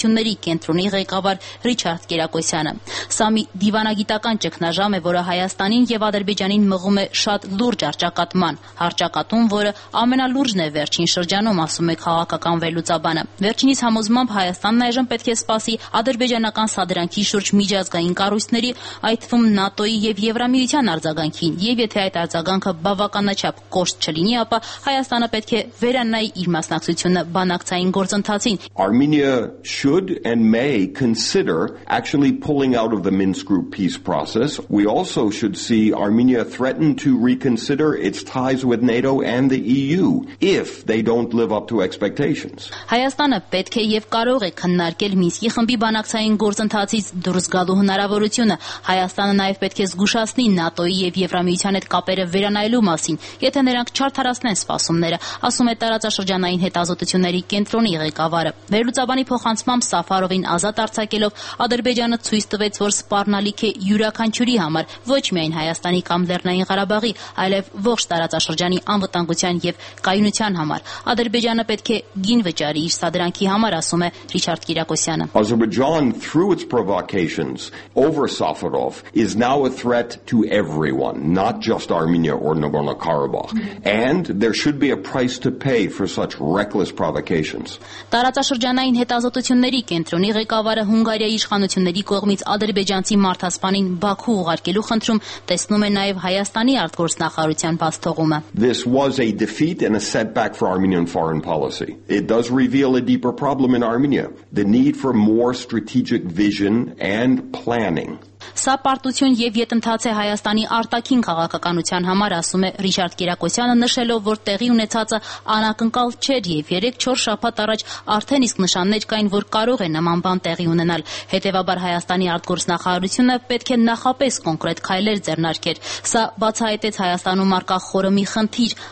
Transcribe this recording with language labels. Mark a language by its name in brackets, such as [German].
[Armenian] գործունեությունների կենտրոնի ղեկավար Ռիչարդ Կերակոսյանը։ Սա մի դիվանագիտական ճգնաժամ է, որը Հայաստանին և Ադրբեջանին մղում է շատ լուրջ արճակատման, հարճակատում, որը ամենալուրջն է վերջին շրջանում, ասում է քաղաքական վերլուծաբանը։ Վերջինիս համոզմամբ Հայաստանն այժմ պետք է սպասի ադրբեջանական սադրանքի շուրջ միջազգային կառույցների, այդ թվում ՆԱՏՕ-ի և Եվրամիության արձագանքին, և եթե այդ արձագանքը բավականաչափ կոշտ չլինի, ապա Հայաստանը պետք է վերանայի իր մասնակցությունը բանակցային գործընթացին։ [English] Armenia should and may consider actually pulling out of the Minsk group peace process. We also should see Armenia threaten to reconsider its ties with NATO and the EU if they don't live up to expectations. [Armenian] Հայաստանը պետք է եւ կարող է քննարկել Մինսկի խմբի բանակցային գործընթացից դուրս գալու հնարավորությունը։ Հայաստանը նաեւ պետք է զգուշացնի ՆԱՏՕ-ի եւ Եվրամիության հետ կապերը վերանայելու մասին, եթե նրանք չարդարացնեն սպասումները, ասում է տարածաշրջանային հետազոտությունների կենտրոնի ղեկավարը։ Վերլուծաբանի փոխանցումը Սաֆարովին ազատ արձակելով Ադրբեջանը ցույց տվեց, որ սպառնալիք է յուրաքանչյուրի համար, ոչ միայն Հայաստանի կամ Լեռնային Ղարաբաղի, այլև ողջ տարածաշրջանի անվտանգության եւ կայունության համար։ Ադրբեջանը պետք է գին վճարի իր սադրանքի համար, ասում է Ռիչարդ Կիրակոսյանը։ [English] Azerbaijan through its provocations over Safarov is now a threat to everyone, not just Armenia or Nagorno-Karabakh, and there should be a price to pay for such reckless provocations. [Armenian] Տարածաշրջանային հետազոտությունների կենտրոնի ղեկավարը Հունգարիայի իշխանությունների կողմից ադրբեջանցի մարդասպանին Բաքու ուղարկելու խնդրում տեսնում է նաև Հայաստանի արտգործնախարարության վաստողումը։ [English] This was a defeat and a setback for Armenian foreign policy. It does reveal a deeper problem in Armenia, the need for more strategic vision and planning. [Armenian] Սա պարտություն եւ ետընթաց է Հայաստանի արտաքին քաղաքականության համար, ասում է Ռիչարդ Կիրակոսյանը, նշելով, որ տեղի ունեցածը անակնկալ չէր եւ 3-4 շաբաթ առաջ արդեն իսկ նշաններ կային, որ կարող է նման բան տեղի ունենալ։ Հետևաբար Հայաստանի արտգործնախարարությունը պետք է նախապես կոնկրետ քայլեր ձեռնարկեր։ Սա բացահայտեց Հայաստանում առկա խորը խնդիր,